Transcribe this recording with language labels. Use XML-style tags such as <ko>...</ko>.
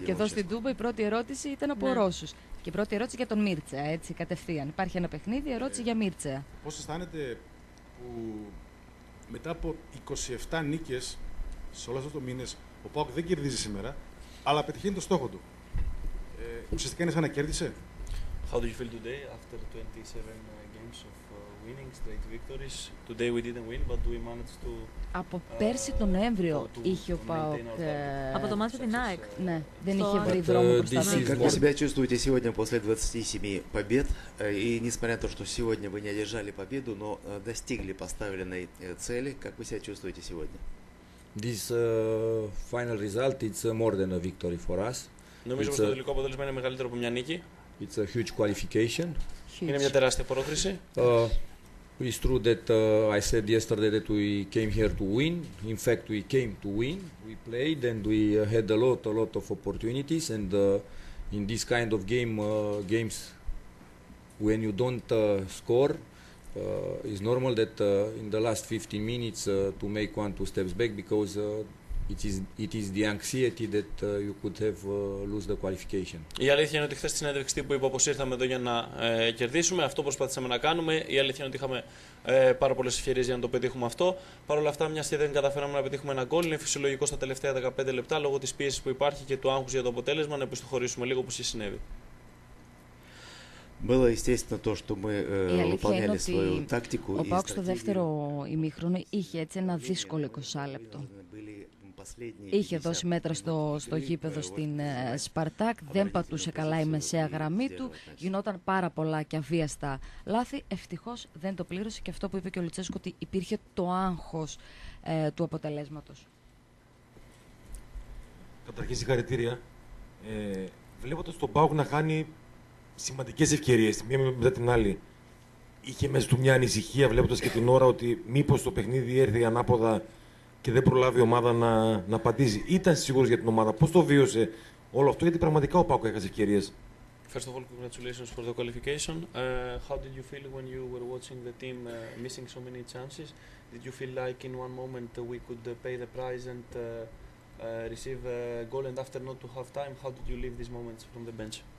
<el>Και εδώ στην Τούμπα η πρώτη ερώτηση ήταν από Ρώσους. Και η πρώτη ερώτηση για τον Μίρτσεα, έτσι, κατευθείαν. Υπάρχει ένα παιχνίδι, ερώτηση για Μίρτσεα. Πώς αισθάνεται που μετά από 27 νίκες σε όλα αυτά τα μήνες, ο ΠΑΟΚ δεν κερδίζει σήμερα, αλλά πετυχαίνει το στόχο του. Ουσιαστικά είναι σαν να κέρδισε.</el> <en>How do you feel today after 27 games of winning straight victories? Today we didn't win, but we managed to.</en> <el>Από πέρσι τον Νοέμβριο είχε ο ΠΑΟΚ. Από το μάτι την ΑΕΚ. Ναι, δεν είχε βρει δρόμο προς τα πίσω.</el> <ru>Как вы себя чувствуете сегодня после 27 побед? И несмотря на то, что сегодня вы не одержали победу, но достигли поставленной цели, как вы себя чувствуете сегодня?</ru> <en>This final result is more than a victory for us.</en> <el>Νομίζω πως το τελικό αποτέλεσμα είναι μεγαλύτερο από μια νίκη.</el> <en>It's a huge qualification.</en> <el>Είναι μια τεράστια πρόκριση.</el> <en>It's true that I said yesterday that we came here to win. In fact, we came to win. We played and we had a lot of opportunities. And in this kind of game, games, when you don't score, it's normal that in the last 15 minutes to make one, two steps back because it is the anxiety that you could have lose the qualification.</en> <el>Η αλήθεια είναι ότι χθες στην συνέντευξη τύπου είπα πως ήρθαμε εδώ για να κερδίσουμε. Αυτό προσπαθήσαμε να κάνουμε. Η αλήθεια είναι ότι είχαμε πάρα πολλές ευκαιρίες για να το πετύχουμε αυτό. Παρ' όλα αυτά, μια και δεν καταφέραμε να πετύχουμε ένα γκολ, είναι φυσιολογικό στα τελευταία 15 λεπτά λόγω της πίεσης που υπάρχει και του άγχους για το αποτέλεσμα να επιστοχωρήσουμε λίγο όπως συνέβη.</el> <ru>Было естественно то, что мы выполняли свою тактику.</ru> <el>Ο ΠΑΟΚ στο δεύτερο ημίχρονο είχε έτσι ένα δύσκολο 20 λεπτό. Είχε δώσει μέτρα στο γήπεδο στην Σπαρτάκ, δεν πατούσε καλά η μεσαία γραμμή του, γινόταν πάρα πολλά και αβίαστα λάθη. Ευτυχώς δεν το πλήρωσε και αυτό που είπε και ο Λουτσέσκο, ότι υπήρχε το άγχος του αποτελέσματος. Καταρχήν συγχαρητήρια. Βλέποντας τον ΠΑΟΚ να χάνει σημαντικές ευκαιρίες, μία μετά την άλλη, είχε μέσα του μια ανησυχία, βλέποντας και την ώρα, ότι μήπως το παιχνίδι έρθει ανάποδα και δεν προλάβει η ομάδα να απαντήσει. Ήταν σίγουρος για την ομάδα, πώς το βίωσε όλο αυτό, γιατί πραγματικά ο ΠΑΟΚ έχασε ευκαιρίες.</el> <en>First of all, congratulations for the qualification. How did you feel when you were watching the team missing so many chances? Did you feel like in one moment we could pay the price and receive a goal and after not to have time? How did you leave these moments from the bench?</en>